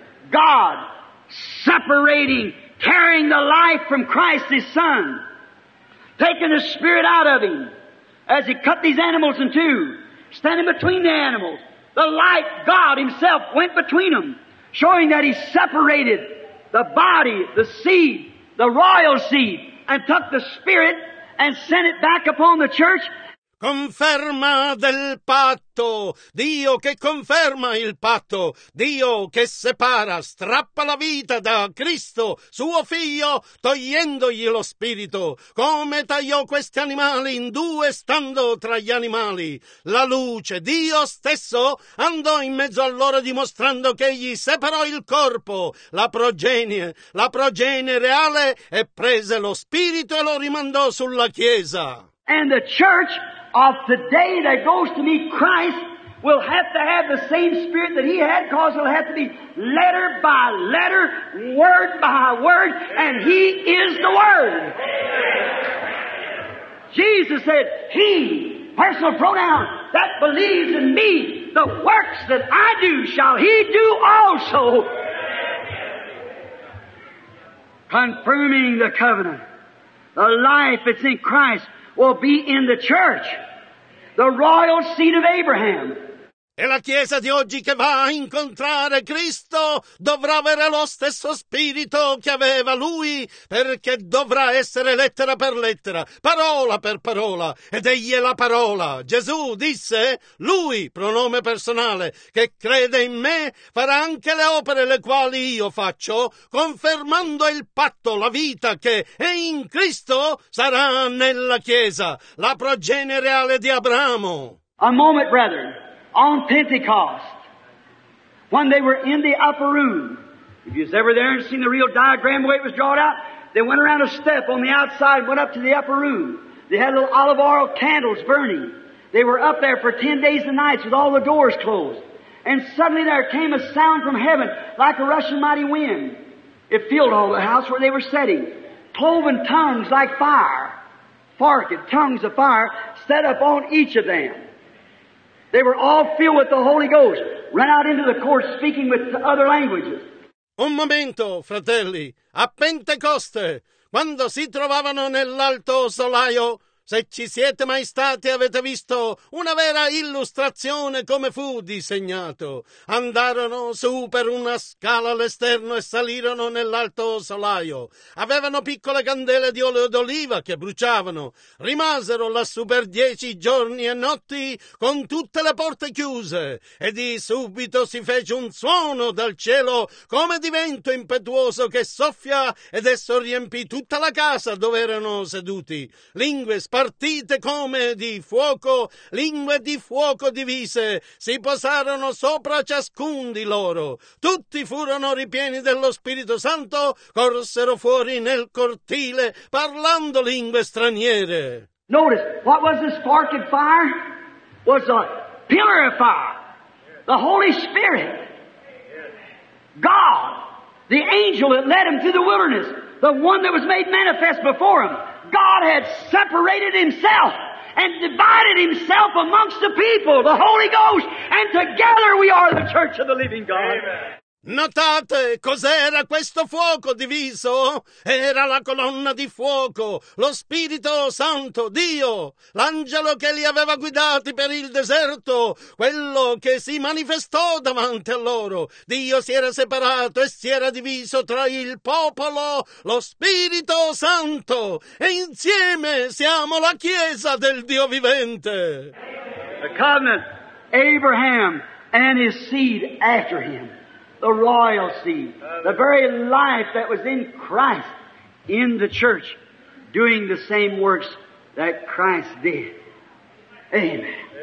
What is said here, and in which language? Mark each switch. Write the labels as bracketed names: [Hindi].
[English] God separating, tearing the life from Christ his Son, taking the spirit out of him as he cut these animals in two, standing between the animals. The light, God himself, went between them, showing that he separated the body, the seed, the royal seed, and took the spirit and sent it back upon the church. [Italian] Conferma del patto. Dio che conferma il patto. Dio che separa, strappa la vita da Cristo, suo figlio, togliendogli lo spirito. Come tagliò questi animali in due stando tra gli animali? La luce, Dio stesso, andò in mezzo a loro dimostrando che gli separò il corpo, la progenie reale, e prese lo spirito e lo rimandò sulla Chiesa. [English] And the church of today that goes to meet Christ will have to have the same spirit that he had, because it'll have to be letter by letter, word by word, and he is the word. Jesus said, he, personal pronoun, that believes in me, the works that I do shall he do also. Confirming the covenant, the life that's in Christ will be in the church, the royal seed of Abraham. [Italian] E la Chiesa di oggi che va a incontrare Cristo dovrà avere lo stesso spirito che aveva lui, perché dovrà essere lettera per lettera, parola per parola, ed egli è la parola. Gesù disse, lui, pronome personale, che crede in me farà anche le opere le quali io faccio, confermando il patto, la vita che è in Cristo sarà nella Chiesa, la progenie reale di Abramo. [English] A moment, brethren. On Pentecost, when they were in the upper room, if you was ever there and seen the real diagram, the way it was drawn out, they went around a step on the outside, went up to the upper room. They had little olive oil candles burning. They were up there for 10 days and nights with all the doors closed. And suddenly there came a sound from heaven like a rushing mighty wind. It filled all the house where they were sitting. Cloven tongues like fire, forked tongues of fire, set up on each of them. They were all filled with the Holy Ghost, ran out into the court speaking with other languages. [Italian] Un momento, fratelli, a Pentecoste, quando si trovavano nell'alto solaio, se ci siete mai stati, avete visto una vera illustrazione come fu disegnato. Andarono su per una scala all'esterno e salirono nell'alto solaio. Avevano piccole candele di olio d'oliva che bruciavano. Rimasero lassù per 10 giorni e notti con tutte le porte chiuse. E di subito si fece un suono dal cielo come di vento impetuoso che soffia, ed esso riempì tutta la casa dove erano seduti. Lingue spagnole partite come di fuoco, lingue di fuoco divise, si posarono sopra ciascun di loro. Tutti furono ripieni dello Spirito Santo, corsero fuori nel cortile, parlando lingue straniere. [English] Notice, what was the spark of fire? Was a pillar of fire. The Holy Spirit. God. The angel that led him through the wilderness. The one that was made manifest before him. God had separated himself and divided himself amongst the people, the Holy Ghost, and together we are the church of the living God. Amen. [Italian] Notate cos'era questo fuoco diviso. Era la colonna di fuoco, lo Spirito Santo, Dio, l'angelo che li aveva guidati per il deserto, quello che si manifestò davanti a loro. Dio si era separato e si era diviso tra il popolo, lo Spirito Santo, e insieme siamo la Chiesa del Dio vivente. [English] The covenant, Abraham and his seed after him. The royal seed, the very life that was in Christ, in the church, doing the same works that Christ did. Amen. Amen.